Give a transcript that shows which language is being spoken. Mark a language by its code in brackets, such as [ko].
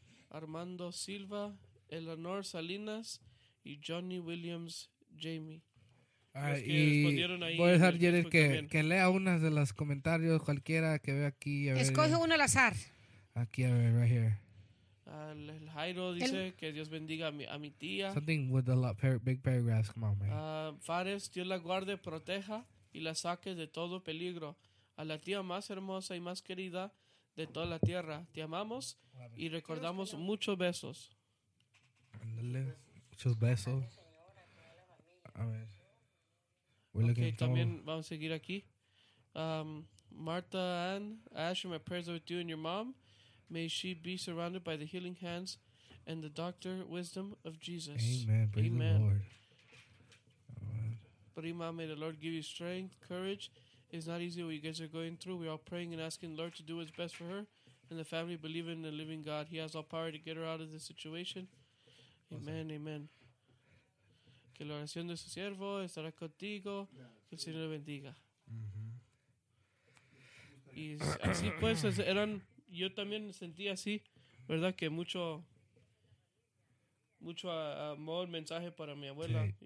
[es] Armando Silva. Eleanor Salinas. Y Johnny Williams Jamie. Y voy a dejar Jared que lea unas de los comentarios cualquiera que vea aquí. A ver, escoge uno al azar. Aquí, a ver, [en] right here. [es] El Jairo dice que Dios bendiga a mi tía. [en] Something with a lot big paragraphs, come on, man. [es] Fares, Dios la guarde, proteja y la saque de todo peligro. A la tía más hermosa y más querida de toda la tierra. Te amamos y recordamos muchos besos. Ándale, muchos besos. A ver. Okay, también vamos a seguir aquí. [en] Martha Ann, I ask you my prayers with you and your mom. May she be surrounded by the healing hands and the doctor wisdom of Jesus. Amen. Praise Amen. The Lord. Prima, may the Lord give you strength, courage. It's not easy what you guys are going through. We're all praying and asking the Lord to do what's best for her and the family, believing in the living God. He has all power to get her out of this situation. Amen, amen. [es] Que la oración de su siervo estará contigo. Que el Señor le bendiga. Mm-hmm. Y así pues, eran, yo también sentí así, ¿verdad? Que mucho amor, mensaje para mi abuela. Sí.